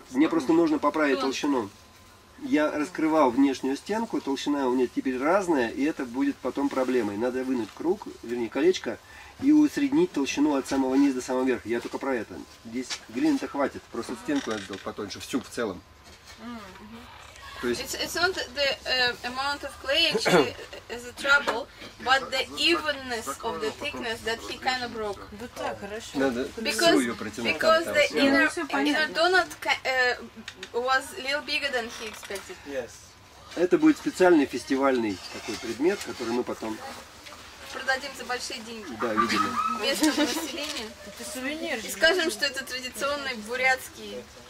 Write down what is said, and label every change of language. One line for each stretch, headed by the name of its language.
Russian: Мне просто нужно поправить толщину. Я раскрывал внешнюю стенку, толщина у меня теперь разная, и это будет потом проблемой. Надо вынуть круг, вернее, колечко. И усреднить толщину от самого низа до самого верха. Я только про это. Здесь глины-то хватит. Просто стенку надо сделать потоньше. Всю в целом. То есть...
English: It's not the amount of clay actually is a trouble, but the evenness of the thickness that he kind of broke.
Russian: Да так, хорошо. Надо
English: because,
Russian: свою протянуть.
English: Because the inner donut was a little bigger than he expected. Yes.
Russian: Это будет специальный фестивальный такой предмет, который мы потом... продадим за большие деньги. Да, видели. Местному населению. Это сувенир. И скажем, что это традиционный бурятский